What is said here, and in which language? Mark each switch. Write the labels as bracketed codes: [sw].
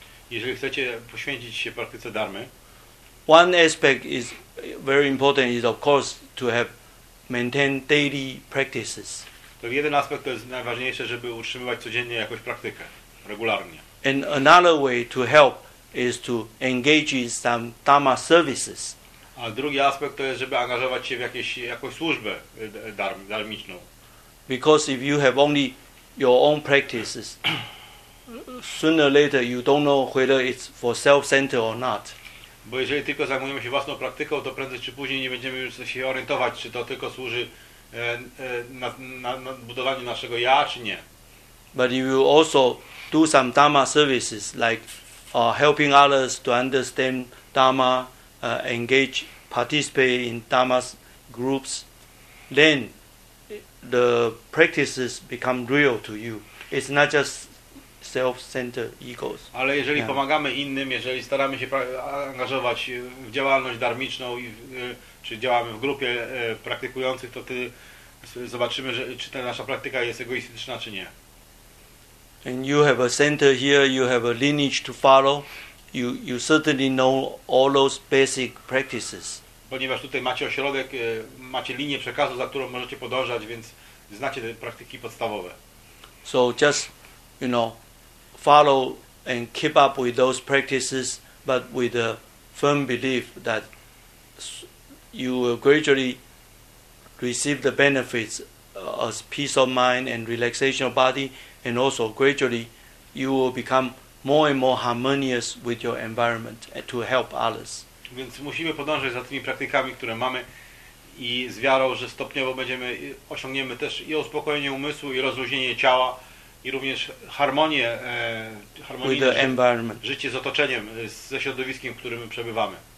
[pl] jeżeli chcecie poświęcić się praktyce Dharmy, [en] one aspect is very important is of course to have maintain daily practices. [pl] To jeden aspekt, to jest najważniejsze, żeby utrzymywać codziennie jakąś praktykę, regularnie. [en] And another way to help is to engage in some Dharma services. [pl] A drugi aspekt to jest, żeby angażować się w jakąś służbę dharmiczną. [en] Because if you have only your own practices, sooner or later you don't know whether it's for self-centered or not. [pl] Bo jeżeli tylko zajmujemy się własną praktyką, to prędzej czy później nie będziemy już się orientować, czy to tylko służy na budowaniu naszego ja, czy nie. [en] But you will also do some Dharma services, like helping others to understand Dharma, engage, participate in Dharma groups. Then the practices become real to you. It's not just self-centered egos. [pl] Ale jeżeli pomagamy innym, jeżeli staramy się angażować w działalność dharmiczną, czy działamy w grupie praktykujących, to ty zobaczymy, czy ta nasza praktyka jest egoistyczna, czy nie. [en] And you have a center here, you have a lineage to follow, you certainly know all those basic practices. [pl] ponieważ tutaj macie ośrodek, macie linię przekazu, za którą możecie podążać, więc znacie te praktyki podstawowe. [en] So just, you know, follow and keep up with those practices, but with a firm belief that you will gradually receive the benefits as peace of mind and relaxation of body, and also gradually you will become more and more harmonious with your environment and to help others. [pl] Więc musimy podążać za tymi praktykami, które mamy, i z wiarą, że stopniowo będziemy osiągniemy też i uspokojenie umysłu, i rozluźnienie ciała, i również harmonię, harmonię [en] with the environment. [pl] Życie z otoczeniem, ze środowiskiem, w którym my przebywamy.